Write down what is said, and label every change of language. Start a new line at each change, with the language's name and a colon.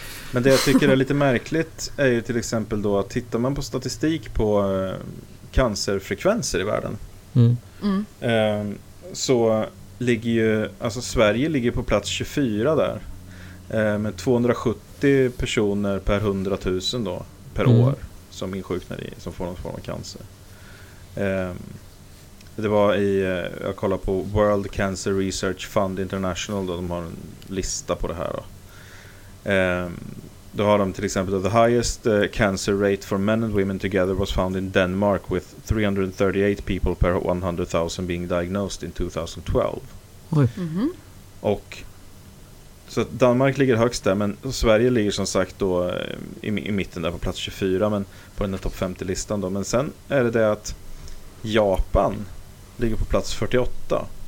Swedish: Men det jag tycker är lite märkligt är ju till exempel då att tittar man på statistik på cancerfrekvenser i världen, så ligger ju, alltså Sverige ligger på plats 24 där, med 270 personer per 100 000 då, per år, som insjuknar i, som får någon form av cancer. Det var i, jag kollar på World Cancer Research Fund International då, de har en lista på det här då. Då har de till exempel
English: the highest cancer rate for men and women together was found in Denmark with 338 people per 100,000 being diagnosed in 2012.
Swedish: Och så att Danmark ligger högst där, men Sverige ligger som sagt då i mitten där på plats 24, men på den topp 50 listan då. Men sen är det att Japan ligger på plats 48.